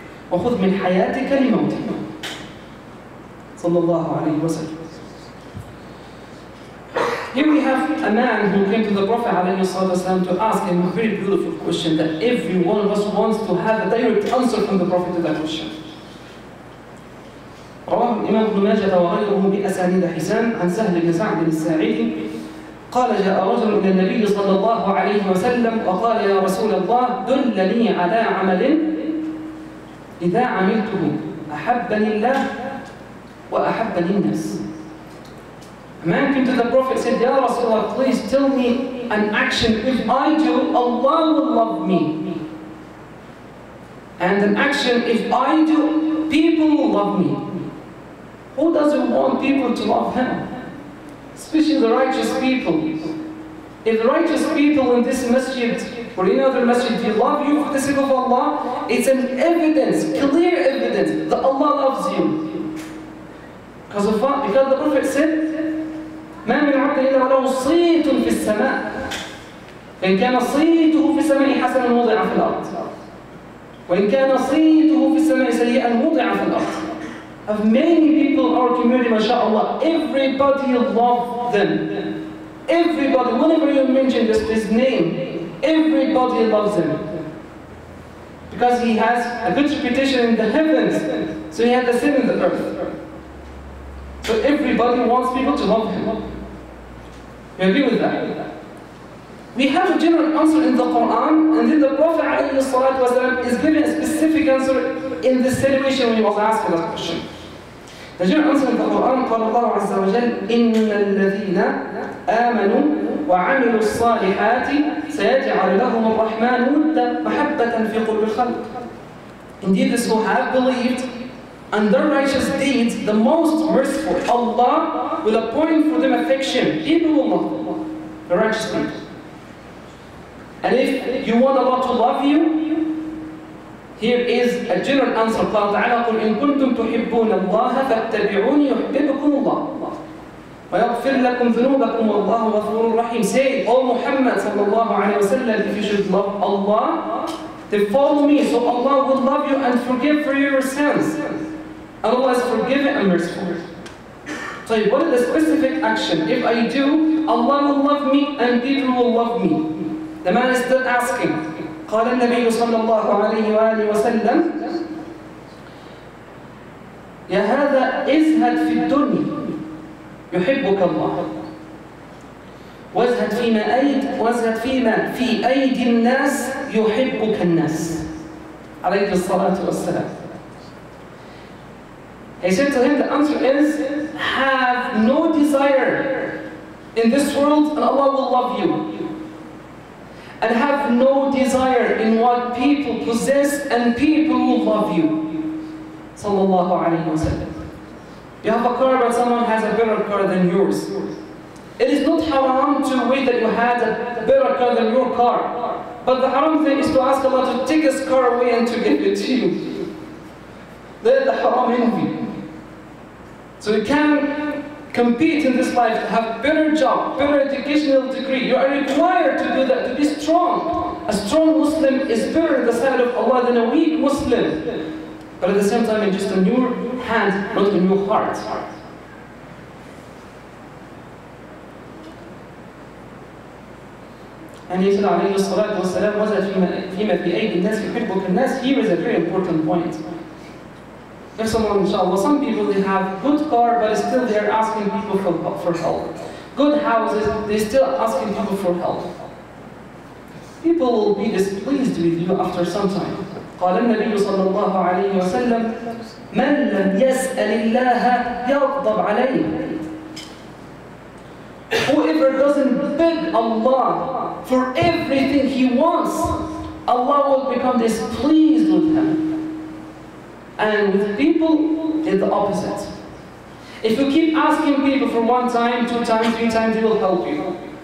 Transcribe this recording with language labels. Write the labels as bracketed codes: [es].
[ar] وَخُذْ مِنْ حَيَاتِكَ لِمَوْتِكَ صلى الله عليه وسلم. [en] Here we have a man who came to the Prophet [ar] عليه الصلاة والسلام [en] to ask him a very beautiful question that every one of us wants to have a direct answer from the Prophet to that question. [ar] رواه الإمام ابن ماجة وغيره بأسانيد حسان عن سهل بن سعد الساعدي قال جاء رجل إلى النبي صلى الله عليه وسلم وقال يا رسول الله دلني على عمل إذا عملته أحبني الله وأحبني الناس. [en] A man came to the Prophet said, [ar] يا رسول الله [en] please tell me an action if I do Allah will love me. And an action if I do people will love me. Who doesn't want people to love him? Especially the righteous people. If the righteous people in this masjid or any other masjid they love you for the sake of Allah, it's an evidence, clear evidence that Allah loves you. Because of what? Because the Prophet said, [ar] مَا مِنْ عَبْدٍ إِلَّا وَلَهُ صِيْتٌ فِي السَّمَاءِ فَإِنْ كَانَ صِيْتُهُ فِي السَّمَاءِ حَسَنًا وُضِعَ فِي الْأَرْضِ وَإِنْ كَانَ صِيْتُهُ فِي السَّمَاءِ سَيِّئًا وُضِعَ فِي الْأَرْضِ. [en] Of many people in our community, mashallah, everybody loves them. Everybody, whenever you mention this name, everybody loves him. Because he has a good reputation in the heavens, so he has the same in the earth. So everybody wants people to love him. You agree with that? We have a general answer in the Quran, and then the Prophet ﷺ is giving a specific answer in this situation when he was asking that question. The general answer in the Quran, [ar] قال الله عز وجل, إن الذين آمنوا وعملوا الصالحات سيجعل لهم الرحمن ودا محبة في قلوب الخلق. [en] Indeed, those who have believed and their righteous deeds, the most merciful, Allah will appoint for them affection. Inhumah, the righteous deed. And if you want Allah to love you, here is a general answer. [ar] قال تعالى قل إن كنتم تحبون الله فاتبعوني يحببكم الله ويغفر لكم ذنوبكم والله غفور رحيم. [en] Say, O Muhammad [ar] صلى الله عليه وسلم, [en] if you should love Allah, then follow me, so Allah will love you and forgive for your sins. Allah is forgiving and merciful. So what is the specific action? If I do, Allah will love me and people will love me. The man is still asking. [ar] قال النبي صلى الله عليه وآله وسلم يا هذا ازهد في الدنيا يحبك الله وازهد فيما أيد وازهد فيما في أيدي الناس يحبك الناس عليك الصلاة والسلام. [en] He said to him, the answer is, have no desire in this world and Allah will love you. And have no desire in what people possess and people will love you. Sallallahu alayhi wa sallam. You have a car, but someone has a better car than yours. It is not haram to wish that you had a better car than your car. But the haram thing is to ask Allah to take his car away and to give it to you. That is the haram envy. So you can compete in this life, have better job, better educational degree. You are required to do that, to be strong. A strong Muslim is better in the sight of Allah than a weak Muslim. But at the same time, it's just a new hand, not a new heart. And he said, [ar] عليه الصلاة والسلام, وزد فيما في أيدي الناس يحبك الناس. [en] Here is a very important point. There's someone, inshallah, some people, they have good car, but still they are asking people for help. Good houses, they still asking people for help. People will be displeased with you after some time. [ar] قال النبي صلى الله عليه وسلم من لم يسأل الله يغضب عليه. [en] Whoever doesn't beg Allah for everything he wants, Allah will become displeased with him. And with people, it's the opposite. If you keep asking people for one time, two times, three times, they will help you.